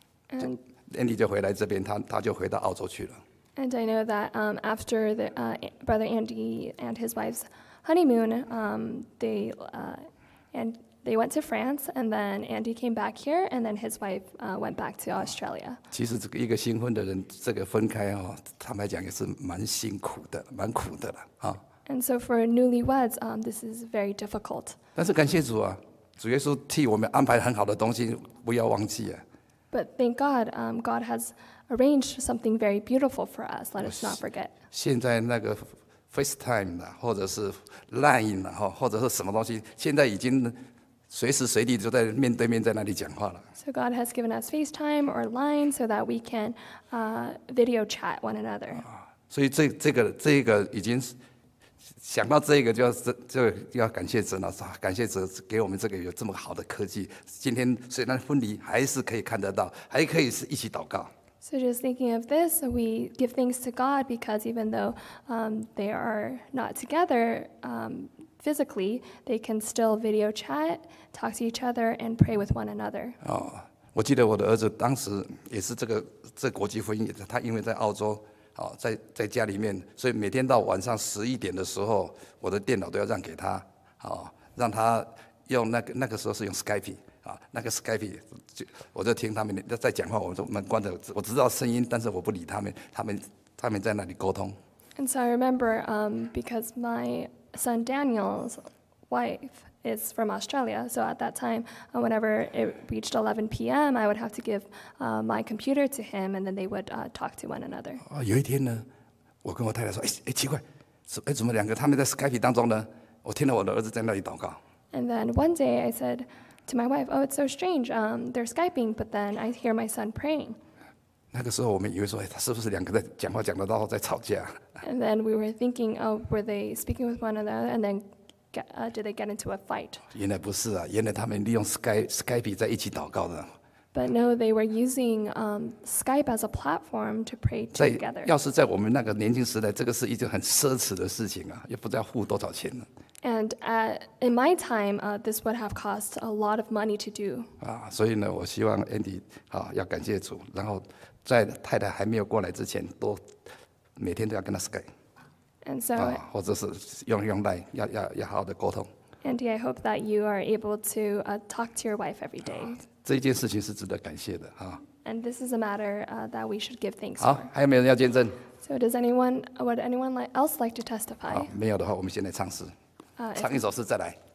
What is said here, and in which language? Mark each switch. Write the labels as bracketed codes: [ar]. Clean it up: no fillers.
[en] And [zh] Andy 就回来这边，他就回到澳洲去了。 [en] And I know that after the brother Andy and his wife's honeymoon, they went to France, and then Andy came back here, and then his wife went back to Australia. [zh] 其实这个一个新婚的人，这个分开坦白讲也是蛮辛苦的，蛮苦的了。 [en] And so for newlyweds, this is very difficult. [zh] 但是感谢主啊，主耶稣替我们安排很好的东西，不要忘记啊。 [en] But thank God, God has arranged something very beautiful for us. Let us not forget. [zh] 现在那个 FaceTime 啦，或者是 Line 啦，或者是什么东西，现在已经随时随地就在面对面在那里讲话了。 [en] So God has given us FaceTime or Line so that we can video chat one another. [zh] 所以这个已经是。想到这个就要感谢神了，感谢神给我们这个有这么好的科技。今天虽然婚礼还是可以看得到，还可以是一起祷告。 [en] So just thinking of this, we give thanks to God because even though they are not together physically, they can still video chat, talk to each other, and pray with one another. [zh] 哦，我记得我的儿子当时也是这个国际婚姻，他因为在澳洲。在家里面，所以每天到晚上十一点的时候，我的电脑都要让给他，让他用那个时候是用 Skype 那个 Skype 我就听他们在讲话，我就门关着，我知道声音，但是我不理他们，他们在那里沟通。 [en] And so I remember, because my son Daniel's wife is from Australia, so at that time, whenever it reached 11 p.m., I would have to give my computer to him, and then they would talk to one another. [zh] 有一天呢，我跟我太太说，哎，奇怪，怎么两个他们在 Skype 当中呢？我听到我的儿子在那里祷告。 [en] And then one day I said to my wife, oh, it's so strange, they're Skyping, but then I hear my son praying. [zh] 那个时候我们以为说，哎，他是不是两个在讲话讲得到在吵架？ [en] And then we were thinking, oh, were they speaking with one another, and then did they get into a fight? [zh] 原来不是啊，原来他们利用 Skype 在一起祷告的。 [en] But no, they were using Skype as a platform to pray together. [zh] 要是在我们那个年轻时代，这个是一件很奢侈的事情啊，也不知道付多少钱呢。 [en] And in my time, this would have cost a lot of money to do. [zh] 所以呢，我希望 Andy 要感谢主，然后在太太还没有过来之前，都每天都要跟他 Skype。 [en] And so, [zh] 或者是用 LINE 要好好的沟通。 [en] Andy, I hope that you are able to talk to your wife every day. [zh] 这件事情是值得感谢的。 [en] And this is a matter that we should give thanks [zh] 好好，还有没有人要见证 [en] ？So does anyone? Would anyone else like to testify? [zh] 好，没有的话，我们先来唱诗，唱一首诗再来。